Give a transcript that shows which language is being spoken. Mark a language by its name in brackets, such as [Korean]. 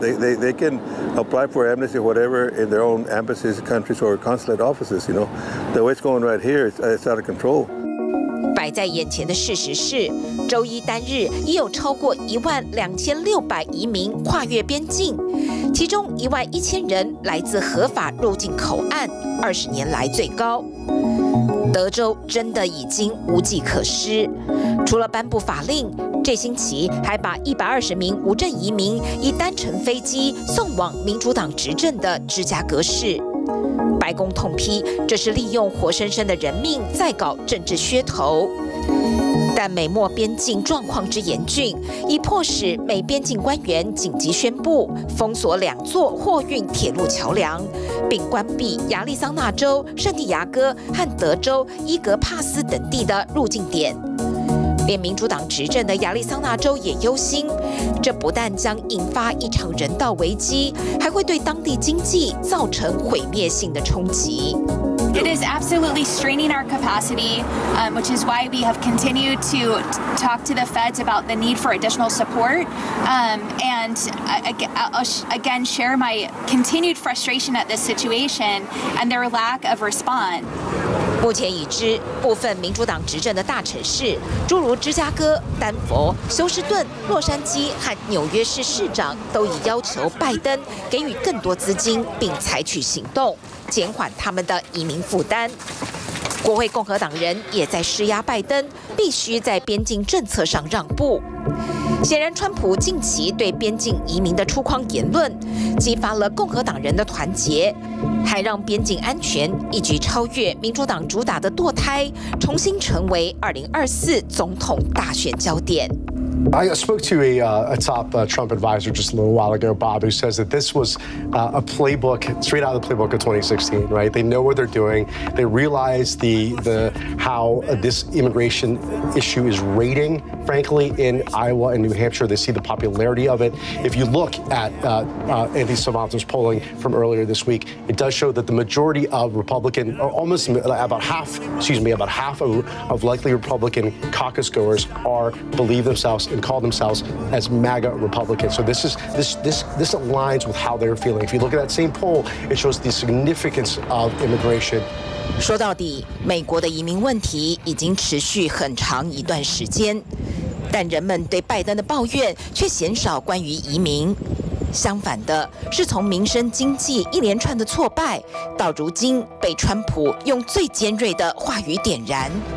[English] They can apply for amnesty, or whatever, in their own embassies, countries, or consulate offices. You know, the way it's going right here, it's out of control. [Chinese] 摆在眼前的事实是，周一单日已有超过12,600移民跨越边境，其中11,000人来自合法入境口岸，20年来最高。德州真的已经无计可施，除了颁布法令。这星期还把120名无证移民以单程飞机送往民主党执政的芝加哥市。白宫痛批这是利用活生生的人命在搞政治噱头，但美墨边境状况之严峻，已迫使美边境官员紧急宣布封锁2座货运铁路桥梁，并关闭亚利桑那州、圣地亚哥和德州伊格帕斯等地的入境点。连民主党执政的亚利桑那州也忧心，这不但将引发一场人道危机，还会对当地经济造成毁灭性的冲击。 [English] It is absolutely straining our capacity, which is why we have continued to talk to the feds about the need for additional support. And again, share my continued frustration at this situation and their lack of response. [Chinese] 目前已知，部分民主党执政的大城市，诸如芝加哥、丹佛、休斯顿、洛杉矶和纽约市市长，都已要求拜登给予更多资金，并采取行动。减缓他们的移民负担。国会共和党人也在施压拜登，必须在边境政策上让步。显然，川普近期对边境移民的粗犷言论，激发了共和党人的团结，还让边境安全一举超越民主党主打的堕胎，重新成为2024总统大选焦点。 [English] I spoke to a top Trump advisor just a little while ago, Bob, who says that this was a playbook, straight out of the playbook of 2016, right? They know what they're doing. They realize how this immigration issue is raiding, frankly, in Iowa and New Hampshire. They see the popularity of it. If you look at Andy Savant's polling from earlier this week, it does show that the majority of Republican, or almost about half, excuse me, about half of likely Republican caucus goers are, believe themselves, and call themselves as MAGA Republicans. So this aligns with how they're feeling. If you look at that same poll, it shows the significance of immigration. [Chinese] 说到底，美国的移民问题已经持续很长一段时间，但人们对拜登的抱怨却鲜少关于移民。相反的是，从民生经济一连串的挫败，到如今被川普用最尖锐的话语点燃。